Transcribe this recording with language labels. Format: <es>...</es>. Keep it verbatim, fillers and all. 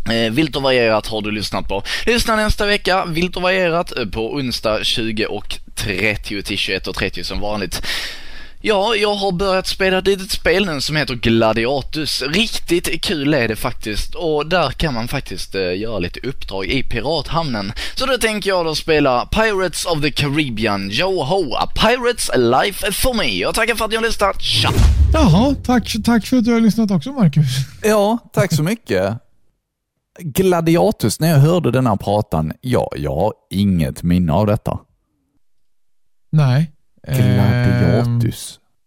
<sv>Vilt och varierat har du lyssnat på. Lyssna nästa vecka, vilt och varierat, på onsdag tjugo och trettio till tjugoett och trettio som vanligt. Ja, jag har börjat spela ett litet spel nu som heter Gladiatus. Riktigt kul är det faktiskt. Och där kan man faktiskt eh, göra lite uppdrag i pirathamnen. Så då tänker jag då spela Pirates of the Caribbean.</sv> <en>Yo-ho, a pirate's life for me.</en> <sv>Jag tackar för att ni har lyssnat. Tja! Jaha, tack, tack för att du har lyssnat också, Marcus. Ja, tack så mycket. Gladiatus, när jag hörde den här pratan, ja, jag har inget minne av detta. Nej. Gladiatus.</sv>